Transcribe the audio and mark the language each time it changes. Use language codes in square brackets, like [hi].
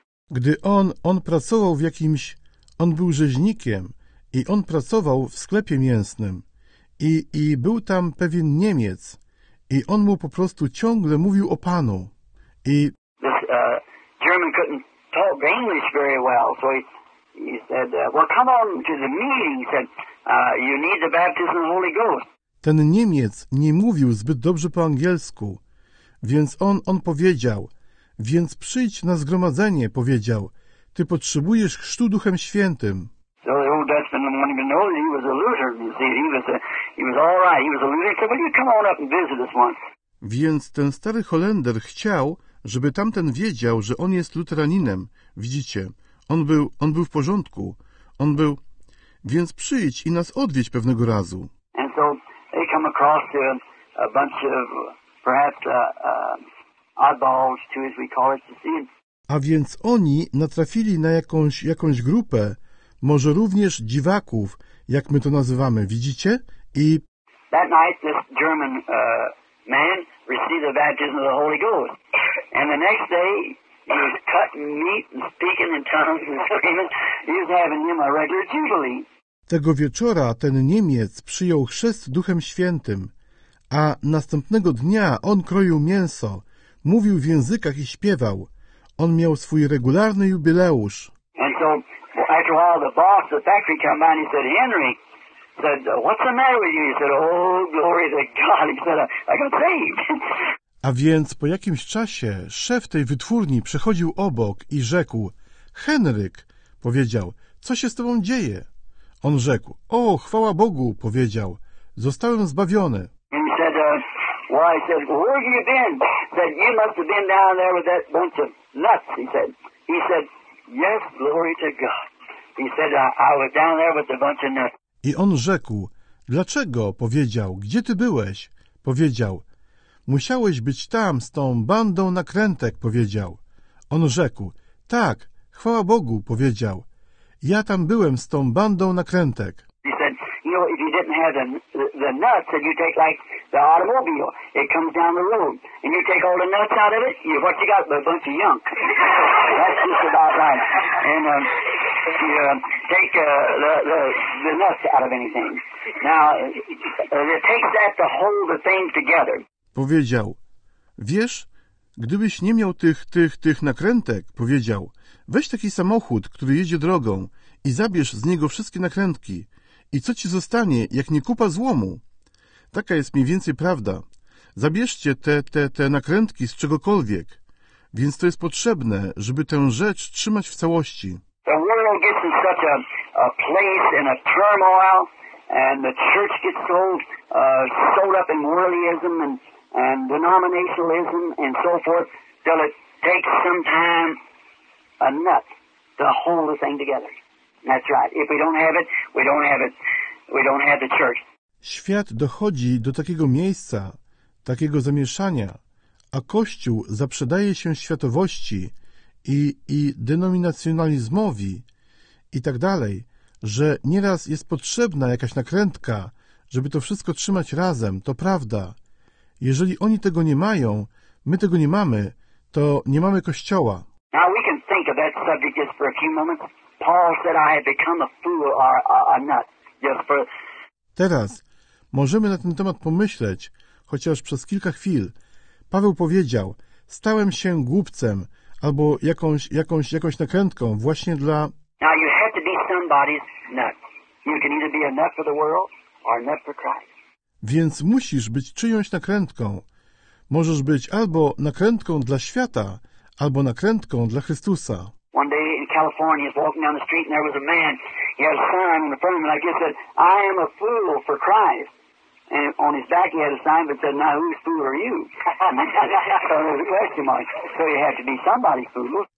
[pl] Gdy on pracował w jakimś... On był rzeźnikiem i on pracował w sklepie mięsnym. I był tam pewien Niemiec i on mu po prostu ciągle mówił o Panu. I [en] this German couldn't talk English very well, so he said, well, come on to the meeting, he said, you need the baptism of the Holy Ghost. [pl] Ten Niemiec nie mówił zbyt dobrze po angielsku, więc on powiedział, więc przyjdź na zgromadzenie, powiedział, ty potrzebujesz chrztu Duchem Świętym. [en] So the old Dutchman wanted to know that he was a loser, you see, he was all right, he was a loser, he said, well, you come on up and visit us once. [pl] Więc ten stary Holender chciał, żeby tamten wiedział, że on jest luteraninem. Widzicie, on był w porządku. On był... Więc przyjdź i nas odwiedź pewnego razu. [en] And so they come across to a bunch of perhaps oddballs, too, as we call it, to see. [pl] A więc oni natrafili na jakąś grupę, może również dziwaków, jak my to nazywamy. Widzicie? I... [en] That night this German man received the baptism of the Holy Ghost. And the next day, he was cutting meat and speaking in tongues and screaming. He was having him a regular jubilee. [pl] Tego wieczora ten Niemiec przyjął chrzest Duchem Świętym, a następnego dnia on kroił mięso, mówił w językach i śpiewał. On miał swój regularny jubileusz. [en] And so, well, after a while, the boss of the factory came by and he said, Henry, said, what's the matter with you? He said, oh, glory to God. He said, I got saved. [pl] A więc po jakimś czasie szef tej wytwórni przechodził obok i rzekł, Henryk, powiedział, co się z tobą dzieje? On rzekł, o, chwała Bogu, powiedział, zostałem zbawiony. [en] And he said, why? He said, where have you been? He said, you must have been down there with that bunch of nuts, he said. He said, yes, glory to God. He said, I was down there with a bunch of nuts. [pl] I on rzekł, dlaczego, powiedział, gdzie ty byłeś? Powiedział, musiałeś być tam z tą bandą nakrętek, powiedział. On rzekł, tak, chwała Bogu, powiedział. Ja tam byłem z tą bandą nakrętek. [en] He said, you know, if you didn't have the nuts, then you take like the automobile. It comes down the road. And you take all the nuts out of it, what you got? A bunch of junk. That's just about right. And you take the nuts out of anything. Now, it takes that to hold the thing together. [pl] Powiedział, wiesz, gdybyś nie miał tych nakrętek, powiedział, weź taki samochód, który jedzie drogą i zabierz z niego wszystkie nakrętki i co ci zostanie, jak nie kupa złomu? Taka jest mniej więcej prawda. Zabierzcie te nakrętki z czegokolwiek, więc to jest potrzebne, żeby tę rzecz trzymać w całości. [en] The world gets in such a place in a turmoil, and the church gets so sewed up in worldlyism and denominationalism and so forth, till it takes some time enough to hold the thing together. That's right. If we don't have it, we don't have it. We don't have the church. [pl] Świat dochodzi do takiego miejsca, takiego zamieszania, a Kościół zaprzedaje się światowości i denominacjonalizmowi i tak dalej, że nieraz jest potrzebna jakaś nakrętka, żeby to wszystko trzymać razem, to prawda. Jeżeli oni tego nie mają, my tego nie mamy, to nie mamy Kościoła. [en] Now we can think of that subject just for a few moments. Paul said, I have become a fool or a nut. Just for... [pl] Teraz możemy na ten temat pomyśleć, chociaż przez kilka chwil. Paweł powiedział, stałem się głupcem albo jakąś nakrętką właśnie dla... [en] Now you have to be somebody's nut. You can either be a nut for the world or a nut for Christ. [pl] Więc musisz być czyjąś nakrętką. Możesz być albo nakrętką dla świata, albo nakrętką dla Chrystusa. [en] One day in California, he was walking down the street and there was a man, he had a sign on the front of him, and I guess said, I am a fool for Christ. And on his back he had a sign that said, now whose fool are you? So there's a question mark. So you have to be somebody's fool.